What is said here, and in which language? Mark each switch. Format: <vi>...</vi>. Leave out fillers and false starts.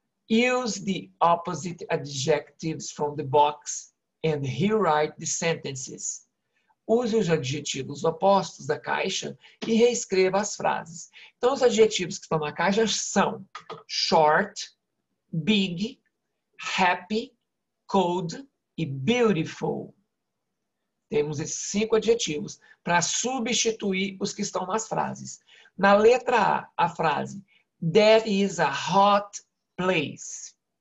<en>Use the opposite adjectives from the box and rewrite the sentences.</en> <pt>Use os adjetivos opostos da caixa e reescreva as frases. Então, os adjetivos que estão na caixa são short, big, happy, cold e beautiful. Temos esses 5 adjetivos para substituir os que estão nas frases. Na letra A, a frase</pt> <en>that is a hot place.</en>